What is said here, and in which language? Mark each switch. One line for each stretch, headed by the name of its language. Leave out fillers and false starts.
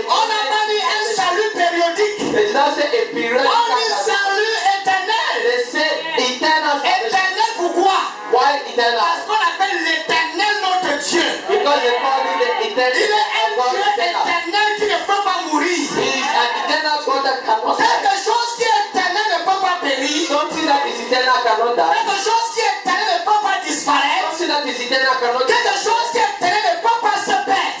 French: On n'a pas dit un salut périodique.
English: They did not say a periodic.
French: On dit salut éternel.
English: They say eternal.
French: Éternel pourquoi?
English: Why eternal?
French: Parce qu'on appelle l'éternel notre Dieu.
English: Because they call it the eternal.
French: Il est un Dieu éternel qui ne peut pas mourir.
English: He is an eternal God that cannot die.
French: Quelque chose qui est éternel ne peut pas périr.
English: Something that is eternal cannot die.
French: Quelque chose qui est éternel ne peut pas disparaître.
English: Something that is eternal cannot.
French: Quelque chose qui est éternel ne peut pas se perdre.